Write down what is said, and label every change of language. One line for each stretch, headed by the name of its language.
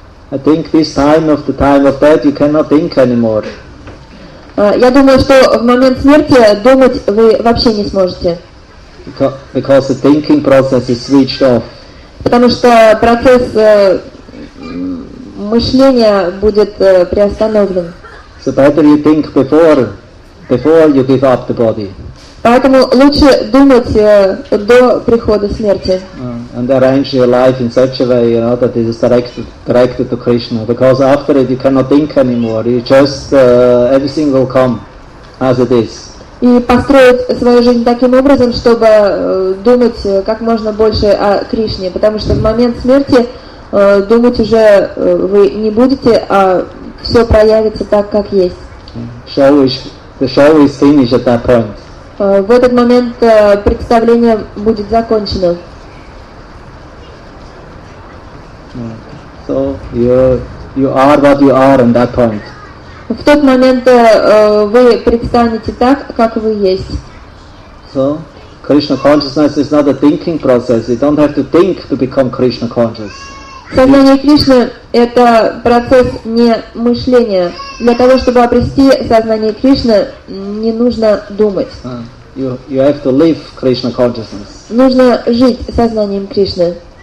English: I think this time of the time of death you cannot think anymore.
Russian: Я думаю, что в момент смерти думать вы вообще не сможете.
English: Because the thinking process is switched off.
Russian: Потому что процесс мышления будет приостановлен.
English: So better you think before you give up the body.
Russian: Поэтому лучше думать до прихода смерти.
English: And arrange your life in such a way, you know, that it is directed to Krishna. Because after it you cannot think anymore. You just everything will come as it is.
Russian: И построить свою жизнь таким образом, чтобы думать как можно больше о Кришне, потому что в момент смерти думать уже вы не будете, а все проявится так, как есть.
English: The show is finished at that point.
Russian: В этот момент представление будет закончено.
English: So you are what you are at that point.
Russian: В тот момент вы предстанете так, как вы есть.
English: So, Krishna consciousness is not a thinking process. You don't have to think to become Krishna conscious.
Russian: Сознание Кришны — это процесс не мышления. Для того, чтобы обрести сознание Кришны, не нужно думать.
English: You have to live Krishna consciousness.
Russian: Нужно жить сознанием Кришны.